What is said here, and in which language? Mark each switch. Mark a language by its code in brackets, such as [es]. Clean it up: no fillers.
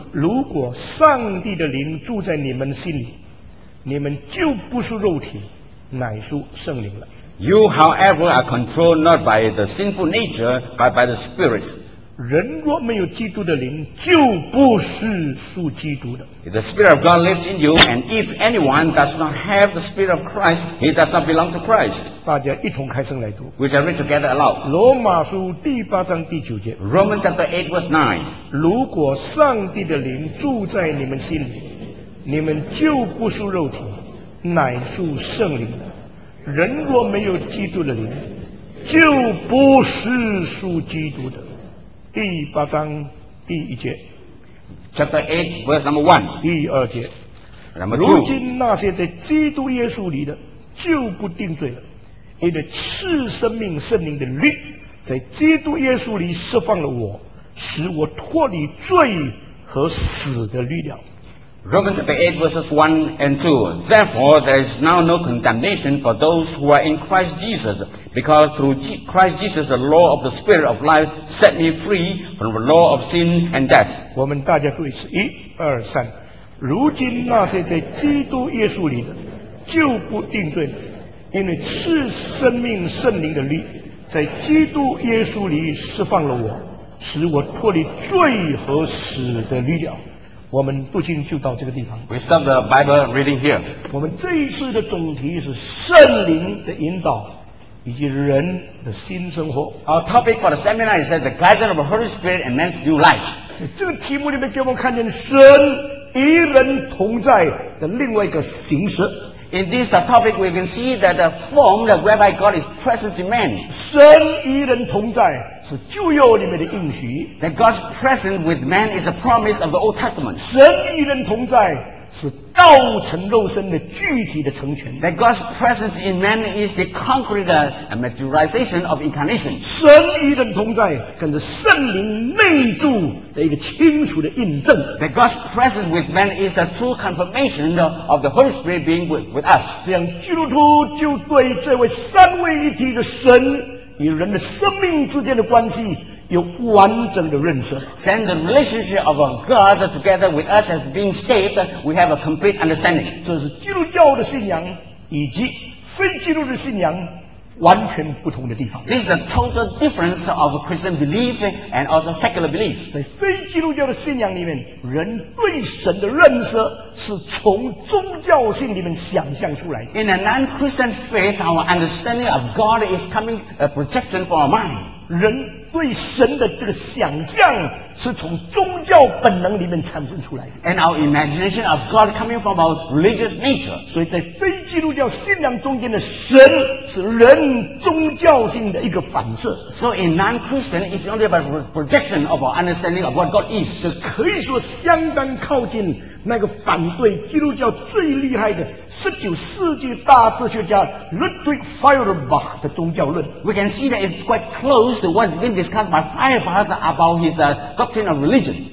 [zh] 如果上帝的灵住在你们心里你们就不是肉体乃是圣灵了 [en] You however are controlled not by the sinful nature but by the spirit [zh] 人若没有基督的灵就不是属基督的 [en] The spirit of God lives in you and if anyone does not have the spirit of Christ he does not belong to Christ [zh] 大家一同开声来读 [en] We shall read together aloud [zh] 罗马书第八章第九节 [en] Romans chapter 8 verse 9 [zh] 如果上帝的灵住在你们心里你们就不属肉体乃属圣灵人若没有基督的灵就不是属基督的第八章第一节 [en] Chapter 8 verse number 1 [zh] 第二节 [en] number 2, [zh] 如今那些在基督耶稣里的就不定罪了因为赐生命圣灵的律在基督耶稣里释放了我使我脱离罪和死的律了 [en] Romans chapter 8 verses 1 and 2 Therefore there is now no condemnation for those who are in Christ Jesus because through Christ Jesus the law of the spirit of life set me free from the law of sin and death [zh] 我们大家会是一二三如今那些在基督耶稣里的就不定罪了因为赐生命圣灵的律在基督耶稣里释放了我使我脱离罪和死的律了我们读经就到这个地方。 [en] We stop the Bible reading here. [zh] 我们这一次的总题是圣灵的引导以及人的新生活。 [en] Our topic for the seminar is the guidance of the Holy Spirit and man's new life. [zh] 这个题目里面给我们看见神与人同在的另外一个形式。 [en] In this topic, we can see that the form that whereby God is present in man. [zh] 神与人同在是旧约里面的应许。 [en] That God's presence with man is the promise of the Old Testament. [zh] 神与人同在是道成肉身的具体的成全。 [en] That God's presence in man is the concrete materialization of incarnation. [zh] 神与人同在跟着圣灵内住的一个清楚的印证。 [en] That God's presence with man is the true confirmation of the Holy Spirit being with us. [zh] 这样基督徒就对这位三位一体的神与人的生命之间的关系有完整的认识 [en] Since the relationship of God together with us has been saved we have a complete understanding [zh] 这是基督教的信仰以及非基督的信仰完全不同的地方 [en] This is a total difference of Christian belief and also secular belief [zh] 在非基督教的信仰里面人对神的认识是从宗教性里面想象出来 [en] In a non-Christian faith our understanding of God is coming a projection for our mind [zh] 人对神的这个想象是从宗教本能里面产生出来的 [en] And our imagination of God coming from our religious nature [zh] 所以在非基督教信仰中间的神是人宗教性的一个反射 [en] So in non-Christian it's only about projection of our understanding of what God is [zh] 是可以说相当靠近那个反对基督教最厉害的19世纪大哲学家 Ludwig Feuerbach 的宗教论 [en] We can see that it's quite close to what's been discussed by Feuerbach about his doctrine of religion